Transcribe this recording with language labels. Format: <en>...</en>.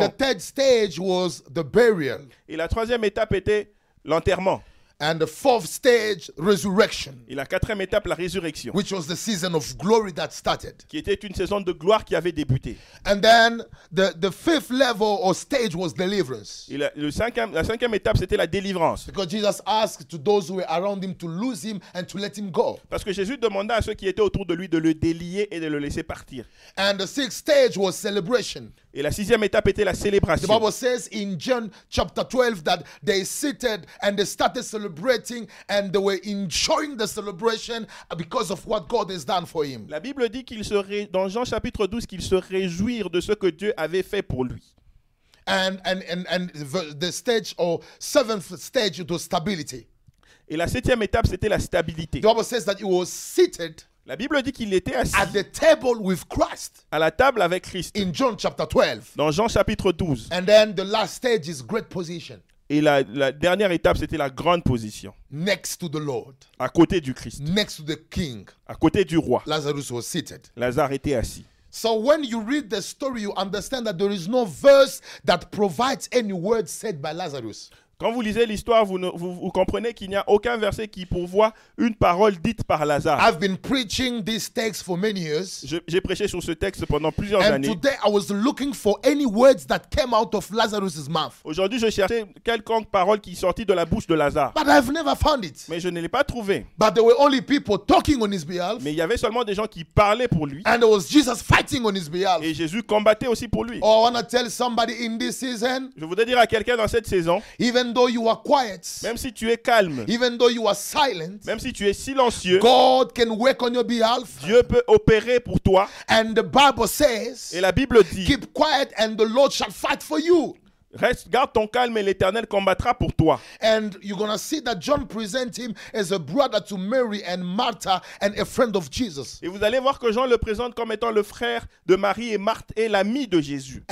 <en>And the third stage was the burial.</en> <fr>Et la troisième étape était l'enterrement.</fr> <en>And the fourth stage, resurrection.</en> <fr>Et la quatrième étape, la résurrection.</fr> <en>Which was the season of glory that started.</en> <fr>Qui était une saison de gloire qui avait débuté.</fr> <en>And then the fifth level or stage was deliverance.</en> <fr>Et la cinquième étape, c'était la délivrance.</fr> <en>Because Jesus asked to those who were around him to loose him and to let him go.</en> <fr>Parce que Jésus demanda à ceux qui étaient autour de lui de le délier et de le laisser partir.</fr> <en>And the sixth stage was celebration.</en> <fr>Et la sixième étape était la célébration.</fr> <en>The Bible says in John chapter 12 that they seated and they started celebrating and they were enjoying the celebration because of what God has done for him.</en> <fr>La Bible dit dans Jean chapitre 12 qu'ils se réjouirent de ce que Dieu avait fait pour lui.</fr> <en>And the stage or seventh stage was stability.</en> <fr>Et la septième étape c'était la stabilité.</fr> <en>The Bible says that he was seated.</en> <fr>La Bible dit qu'il était assis</fr> <en>at the table with Christ,</en> <fr>à la table avec Christ</fr> <en>in John chapter 12.</en> <fr>Dans Jean chapitre 12.</fr> <en>And then the last stage is great position.</en> <fr>Et la dernière étape, c'était la grande position.</fr> <en>Next to the Lord.</en> <fr>À côté du Christ.</fr> <en>Next to the King.</en> <fr>À côté du roi.</fr> <en>Lazarus was seated.</en> <fr>Lazare était assis.</fr> <en>So when you read the story, you understand that there is no verse that provides any word said by Lazarus.</en> <fr>Quand vous lisez l'histoire, vous comprenez qu'il n'y a aucun verset qui pourvoit une parole dite par Lazare.</fr> <en>I've been preaching this text for many years.</en> <fr>J'ai prêché sur ce texte pendant plusieurs années.</fr> <en>And today I was looking for any words that came out of Lazarus's mouth.</en> <fr>Aujourd'hui, je cherchais quelconque parole qui sortit de la bouche de Lazare.</fr> <en>But I've never found it.</en> <fr>Mais je ne l'ai pas trouvé.</fr> <en>But there were only people talking on his behalf.</en> <fr>Mais il y avait seulement des gens qui parlaient pour lui.</fr> <en>And there was Jesus fighting on his behalf.</en> <fr>Et Jésus combattait aussi pour lui.</fr> <en>Oh, I want to tell somebody in this season.</en> <fr>Je voudrais dire à quelqu'un dans cette saison.</fr> <en>Even though you are quiet,</en> <fr>même si tu es calme,</fr> <en>even though you are silent,</en> <fr>même si tu es silencieux,</fr> <en>God can work on your behalf.</en> <fr>Dieu peut opérer pour toi.</fr> <en>And the Bible says,</en> <fr>et la Bible dit,</fr> <en>keep quiet and the Lord shall fight for you.</en> <fr>Reste, garde ton calme et l'Éternel combattra pour toi.</fr> <en>And you're gonna see that John presents him as a brother to Mary and Martha and a friend of Jesus.</en> <fr>Et vous allez voir que Jean le présente comme étant le frère de Marie et Marthe et l'ami de Jésus.</fr>